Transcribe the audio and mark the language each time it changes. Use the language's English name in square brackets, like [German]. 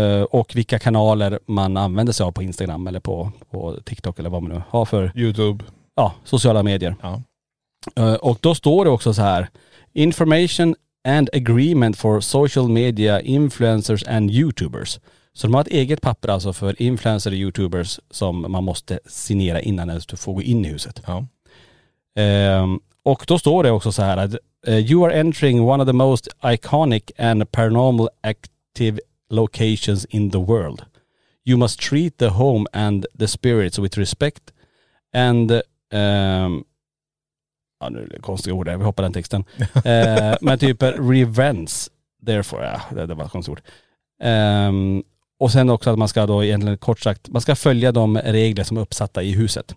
[Swedish] Och vilka kanaler man använder sig av på Instagram eller på TikTok eller vad man nu har för... YouTube. Ja, sociala medier. Ja. Och då står det också så här. [English] Information and agreement for social media influencers and YouTubers. [Swedish] Så de har ett eget papper alltså för influencers och YouTubers som man måste signera innan du får gå in i huset. Ja. Och då står det också så här. [English] You are entering one of the most iconic and paranormal locations in the world. You must treat the home and the spirits with respect and [Swedish] nu är det konstiga ord där. Vi hoppar den texten. men typ [English] revenge, therefore. [Swedish] Ja, det var ett konstigt ord. Och sen också att man ska då egentligen kort sagt, man ska följa de regler som är uppsatta i huset.